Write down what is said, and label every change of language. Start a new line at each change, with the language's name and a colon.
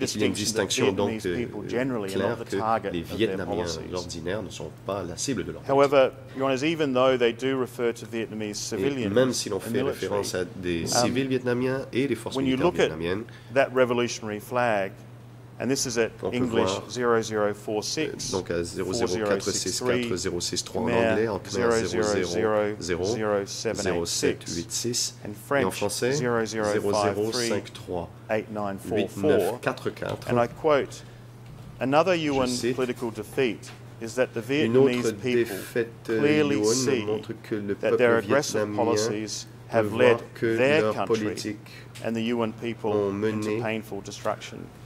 French: il y a une distinction donc claire que les Vietnamiens ordinaires ne sont pas la cible de leur politique.
English: However, Your Honor, even though they do refer to Vietnamese civilians,
French: même si l'on fait référence à des civils vietnamiens et les forces militaires vietnamiennes,
English: when you look at that revolutionary flag, and this is at English 0046,
French: donc à 0046403 en anglais, en khmer 0000786,
English: and French 0053894, and I quote, another UN political defeat is that the Vietnamese people clearly see that their aggressive policies have led their country and the UN people into painful destruction.